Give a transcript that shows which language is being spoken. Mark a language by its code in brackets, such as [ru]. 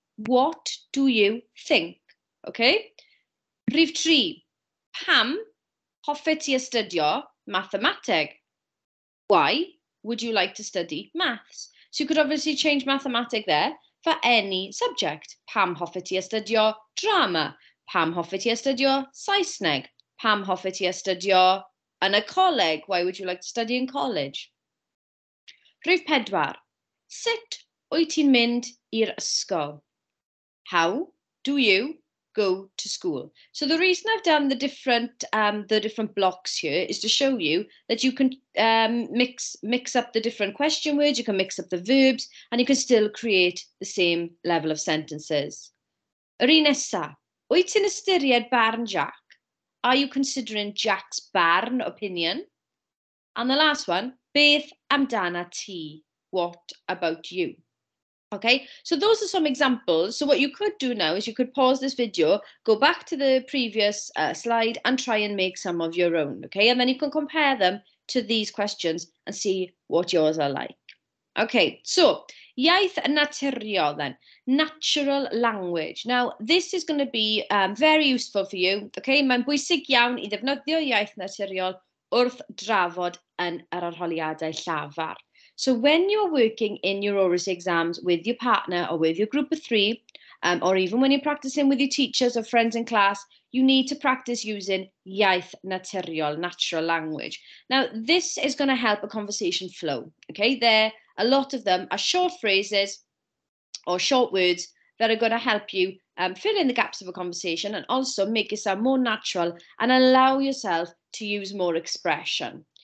[en] What do you think? Okay? [cy] Rhif tri. Pam hoffet ti astudio? Mathematic. [en] Why would you like to study maths? So you could obviously change mathematic there for any subject. [cy] Pam hoffet ti astudio drama? Pam hoffet ti astudio Saesneg? Pam hoffet ti astudio yn y coleg? [en] Why would you like to study in college? [cy] Rhif pedwar. Sut wyt ti'n mynd i'r ysgol? [en] How do you go to school? So the reason I've done the different blocks here is to show you that you can mix up the different question words, you can mix up the verbs, and you can still create the same level of sentences. [cy] Yr un nesa, wyt ti'n ystyried barn Jack? [en] Are you considering Jack's barn opinion? And the last one, [cy] beth amdana ti? [en] What about you? Okay, so those are some examples. So what you could do now is you could pause this video, go back to the previous slide and try and make some of your own, okay? And then you can compare them to these questions and see what yours are like. Okay, so iaith naturiol then, natural language. Now, this is going to be very useful for you, okay? [cy] Mae'n bwysig iawn I ddefnyddio iaith naturiol wrth drafod yn yr arholiadau llafar. [en] So when you're working in your oral exams with your partner or with your group of three, or even when you're practicing with your teachers or friends in class, you need to practice using iaith naturiol, natural language. Now, this is going to help a conversation flow. Okay, there, a lot of them are short phrases or short words that are going to help you fill in the gaps of a conversation and also make yourself more natural and allow yourself to use more expression.